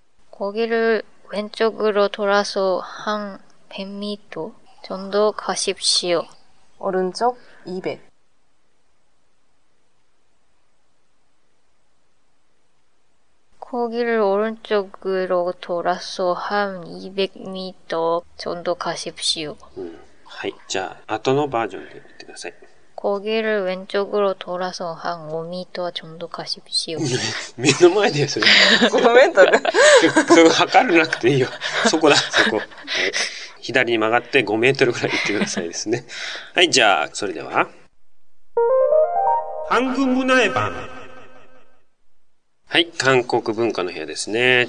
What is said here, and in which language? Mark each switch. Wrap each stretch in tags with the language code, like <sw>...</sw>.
<ko>거기를왼쪽으로돌아서한 100m 정도가십시오 오른쪽200 거기를오른쪽으로돌아서한 200m 정도가십시오</ko> <ja>はい、じゃあ後のバージョンで言ってください</ja> <ko>거기를왼쪽으로돌아서한 5m 정도가십시오</ko> <ja>目の前でそれ 5m? それ測らなくていいよそこだそこ左に曲がって 5m ぐらい行ってくださいですねはい、じゃあそれでは</ja> <ko>한국문화의밤</ko> <ja>はい、韓国文化の部屋ですね。</ja>